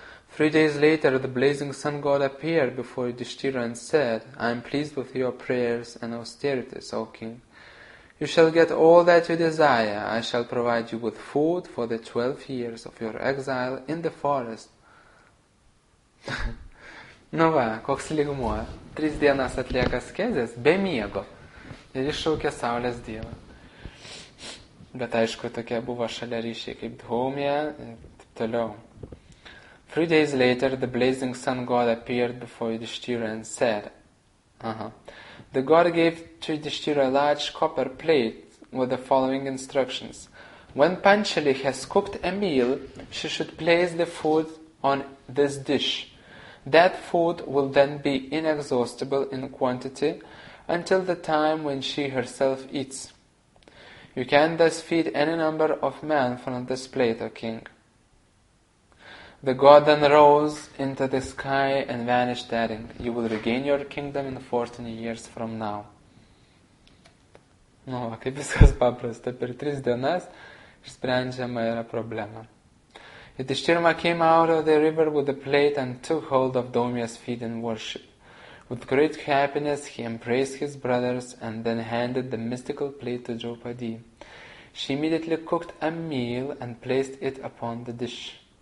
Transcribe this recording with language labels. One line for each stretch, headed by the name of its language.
English: 3 days later, the blazing sun god appeared before Yudhishthira and said, I am pleased with your prayers and austerities, O king. You shall get all that you desire. I shall provide you with food for the 12 years of your exile in the forest.
Lithuanian: Nu va, koks lygmuo. 3 dienas atlieka skezės be miego ir iššaukė saulės dievą. Bet aišku, tokie buvo šalia ryšiai kaip Dhaumya ir taip toliau.
English: 3 days later, the blazing sun god appeared before Yudhishthira and said, The god gave to Yudhishthira a large copper plate with the following instructions. When Panchali has cooked a meal, she should place the food on this dish. That food will then be inexhaustible in quantity until the time when she herself eats. You can thus feed any number of men from this plate, O king. The god then rose into the sky and vanished, adding, You will regain your kingdom in 14 years from now.
Lithuanian: Nu, kaip viskas paprasta, per 3 dienas išsprendžiama yra problema.
English: Yudhishthira came out of the river with the plate and took hold of Dhaumya's feet in worship. With great happiness, he embraced his brothers and then handed the mystical plate to Draupadi. She immediately cooked a meal and placed it upon the dish.